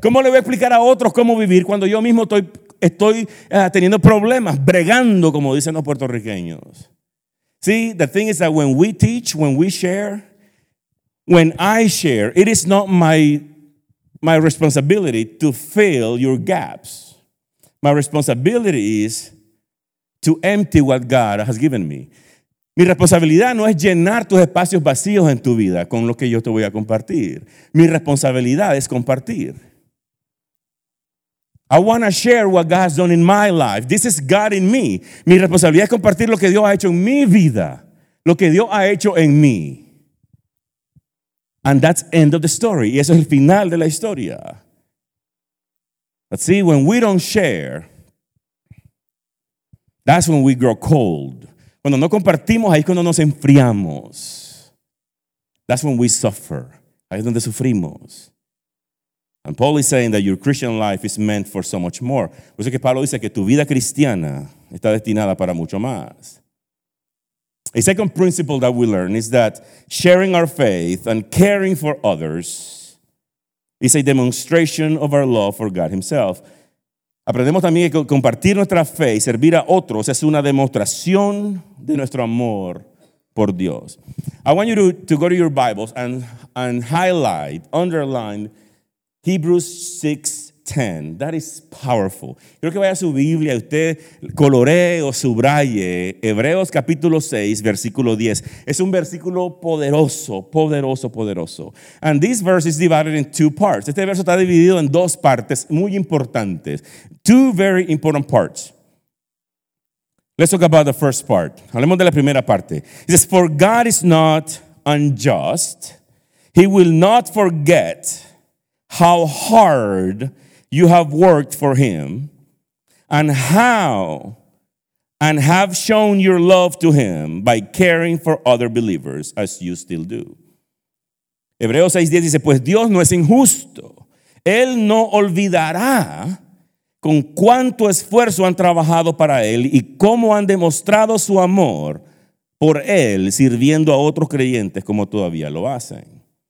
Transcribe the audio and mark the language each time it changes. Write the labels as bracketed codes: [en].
[es] ¿Cómo le voy a explicar a otros cómo vivir cuando yo mismo estoy teniendo problemas, bregando, como dicen los puertorriqueños? [en] See, the thing is that when we teach, when we share, when I share, it is not my responsibility to fill your gaps. My responsibility is to empty what God has given me. [es] Mi responsabilidad no es llenar tus espacios vacíos en tu vida con lo que yo te voy a compartir. Mi responsabilidad es compartir. [en] I want to share what God has done in my life. This is God in me. [es] Mi responsabilidad es compartir lo que Dios ha hecho en mi vida. Lo que Dios ha hecho en mí. [en] And that's end of the story. [es] Y eso es el final de la historia. [en] But see, when we don't share, that's when we grow cold. [es] Cuando no compartimos, ahí es cuando nos enfriamos. [en] That's when we suffer. [es] Ahí es donde sufrimos. [en] And Paul is saying that your Christian life is meant for so much more. [es] Por eso que Pablo dice que tu vida cristiana está destinada para mucho más. [en] A second principle that we learn is that sharing our faith and caring for others is a demonstration of our love for God himself. [es] Aprendemos también que compartir nuestra fe y servir a otros es una demostración de nuestro amor por Dios. [en] I want you to go to your Bibles and highlight, underline, Hebrews 6:10. That is powerful. [es] Quiero que vaya a su Biblia y usted coloree o subraye Hebreos capítulo 6, versículo 10. Es un versículo poderoso, poderoso, poderoso. [en] And this verse is divided in two parts. [es] Este verso está dividido en dos partes muy importantes. [en] Two very important parts. Let's talk about the first part. [es] Hablemos de la primera parte. [en] It says, for God is not unjust. He will not forget how hard you have worked for him and have shown your love to him by caring for other believers as you still do. [es] Hebreos 6:10 dice, pues Dios no es injusto. Él no olvidará con cuánto esfuerzo han trabajado para él y cómo han demostrado su amor por él sirviendo a otros creyentes como todavía lo hacen.